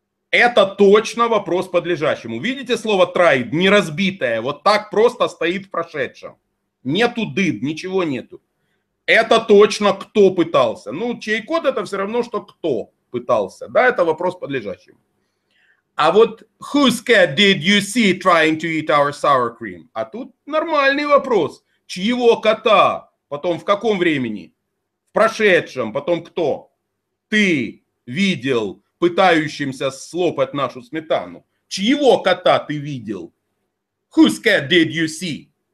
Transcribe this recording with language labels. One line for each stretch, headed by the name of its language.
Russian: Это точно вопрос подлежащему. Видите слово tried, неразбитое, вот так просто стоит в прошедшем. Нету did, ничего нету. Это точно кто пытался. Ну, чей кот это все равно, что кто пытался. Да, это вопрос подлежащему. А вот
English: whose cat did you see trying to eat our sour cream?
Russian: А тут нормальный вопрос. Чьего кота? Потом в каком времени? В прошедшем. Потом кто? Ты видел пытающимся слопать нашу сметану. Чьего кота ты видел?
English: Whose cat did you see?